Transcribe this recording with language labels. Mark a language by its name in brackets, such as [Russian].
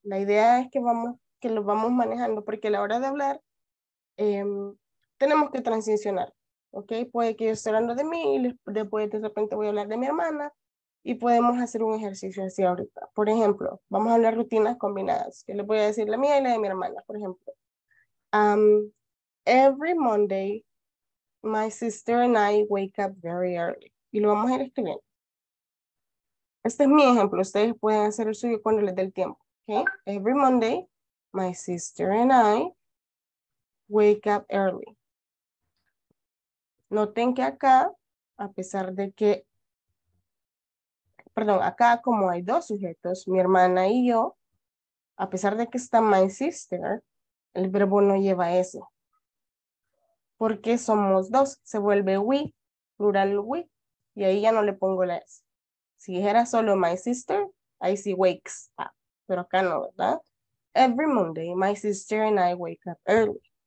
[Spanish] La idea es que lo vamos manejando, porque a la hora de hablar, tenemos que transicionar. ¿Ok? Puede que yo esté hablando de mí, y después de repente voy a hablar de mi hermana, y podemos hacer un ejercicio así ahorita. Por ejemplo, vamos a hablar rutinas combinadas. Yo les voy a decir la mía y la de mi hermana, por ejemplo. [English] Every Monday, my sister and I wake up very early. [Spanish] Y lo vamos a ir escribiendo. Este es mi ejemplo. Ustedes pueden hacer el suyo cuando les dé el tiempo. Okay? [English] Every Monday, my sister and I wake up early. [Spanish] Noten que acá, a pesar de que, perdón, acá como hay dos sujetos, mi hermana y yo, a pesar de que está my sister, el verbo no lleva eso. Porque somos dos, se vuelve we, plural we, y ahí ya no le pongo la S. Si dijera solo my sister, ahí sí wakes up, pero acá no, ¿verdad? [English] Every Monday, my sister and I wake up early.